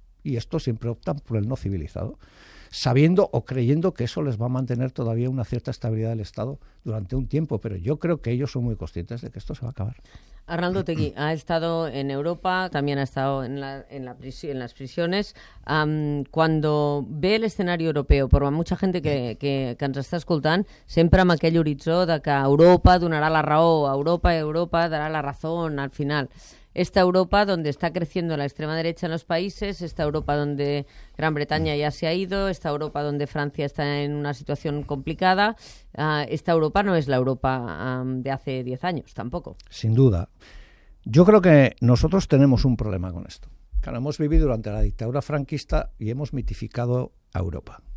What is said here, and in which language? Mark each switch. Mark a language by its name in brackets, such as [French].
[Spanish] Y estos siempre optan por el no civilizado. Sabiendo o creyendo que eso les va a mantener todavía una cierta estabilidad del Estado durante un tiempo. Pero yo creo que ellos son muy conscientes de que esto se va a acabar. Arnaldo Otegi ha estado en Europa, también ha estado en las prisiones. Cuando ve el escenario europeo, por mucha gente que [Catalan] ens està escoltant, sempre amb aquell horitzó de que Europa donarà la raó, Europa darà la raó al final. [Spanish] Esta Europa donde está creciendo la extrema derecha en los países, esta Europa donde Gran Bretaña ya se ha ido, esta Europa donde Francia está en una situación complicada, esta Europa no es la Europa de hace 10 años tampoco. Sin duda. Yo creo que nosotros tenemos un problema con esto. Claro, hemos vivido durante la dictadura franquista y hemos mitificado a Europa.